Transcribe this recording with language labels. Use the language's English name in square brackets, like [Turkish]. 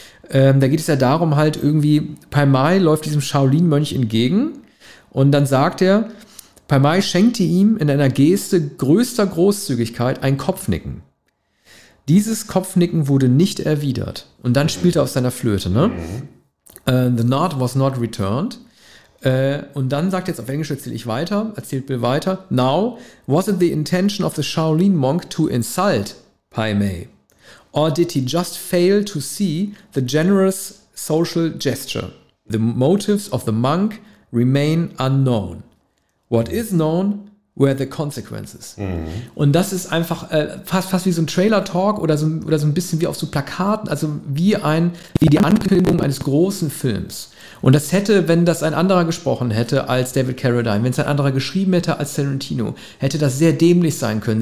[German] Da geht es ja darum, halt irgendwie, Pai Mei läuft diesem Shaolin-Mönch entgegen und dann sagt er, Pai Mei schenkte ihm in einer Geste größter Großzügigkeit ein Kopfnicken. Dieses Kopfnicken wurde nicht erwidert. Und dann spielt er auf seiner Flöte, ne? [English] The nod was not returned. [German] Und dann sagt er jetzt auf Englisch, erzählt Bill weiter. [English] Now, was it the intention of the Shaolin monk to insult Pai Mei? Or did he just fail to see the generous social gesture? The motives of the monk remain unknown. What is known were the consequences. [German] Und das ist einfach fast wie so ein Trailer-Talk oder so ein bisschen wie auf so Plakaten, also wie die Ankündigung eines großen Films. Und das hätte, wenn das ein anderer gesprochen hätte als David Carradine, wenn es ein anderer geschrieben hätte als Tarantino, hätte das sehr dämlich sein können.